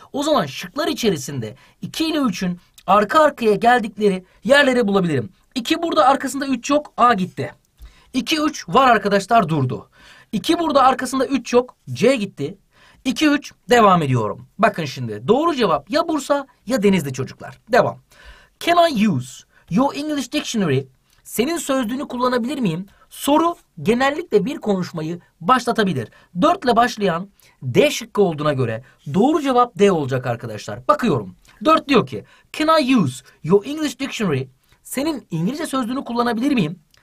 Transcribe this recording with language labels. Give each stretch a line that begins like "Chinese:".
Turkish: O zaman şıklar içerisinde 2 ile 3'ün arka arkaya geldikleri yerleri bulabilirim. 2 burada, arkasında 3 yok. A gitti. 2 3 var arkadaşlar, durdu. 2 burada, arkasında 3 yok. C gitti. 2 3 devam ediyorum. Bakın şimdi doğru cevap ya Bursa ya Denizli çocuklar. Devam.
English: Can I use your English dictionary?
Turkish: Senin sözlüğünü kullanabilir miyim? Soru genellikle bir konuşmayı başlatabilir. 4 ile başlayan D şıkkı olduğuna göre doğru cevap D olacak arkadaşlar. Bakıyorum. 4 diyor ki,
English: can I use your English dictionary?
Turkish: Senin İngilizce sözlüğünü kullanabilir miyim?